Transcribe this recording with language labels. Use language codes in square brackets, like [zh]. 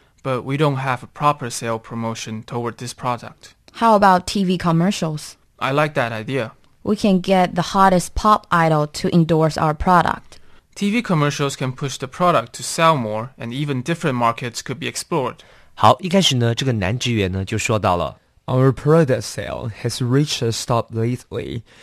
[en] But we don't have a proper sale promotion toward this product. How about TV commercials? I like that idea. We can get the hottest pop idol to endorse our product. TV commercials can push the product to sell more, and even different markets could be explored. [zh] 好，一开始呢，这个男职员呢就说到了 [en] Our product sale has reached a stop lately.